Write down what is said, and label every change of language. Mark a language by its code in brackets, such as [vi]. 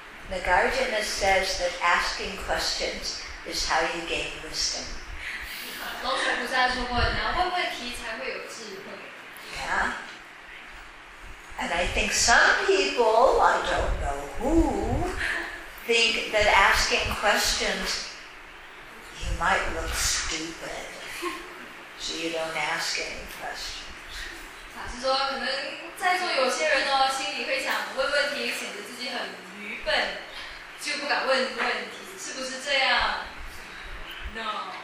[en] Nagarjuna says that asking questions is how you gain wisdom. [zh] 龙树菩萨说过，你要问问题才会有智慧。 [en] Yeah. And I think some people, I don't know who, think that asking questions, you might look stupid. So you don't ask any questions. [zh] 法师说，可能在座有些人呢，心里会想问问题，显得自己很愚笨，就不敢问问题，是不是这样 ？ [en] No.